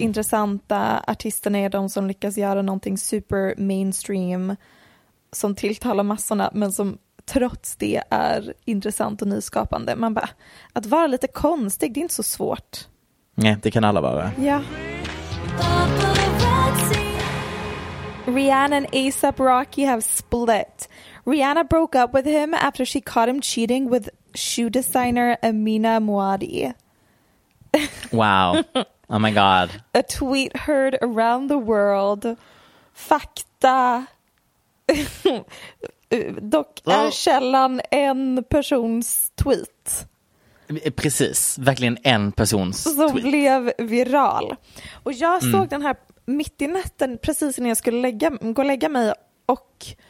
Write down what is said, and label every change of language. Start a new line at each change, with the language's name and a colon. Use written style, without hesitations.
Swedish: Intressanta artisterna är de som lyckas göra någonting super mainstream som tilltalar massorna, men som trots det är intressant och nyskapande. Man bara, att vara lite konstig, det är inte så svårt. Nej, det kan alla vara. Ja.
English: Rihanna and A$AP Rocky have split. Rihanna broke up with him after she caught him cheating with shoe designer Amina Muadi. Wow. Oh my god. A tweet heard around the world.
Swedish: Fakta. Dock är källan en persons tweet. Precis. Verkligen en persons tweet. Som blev viral. Och jag såg den här mitt i natten precis när jag skulle gå och lägga mig och...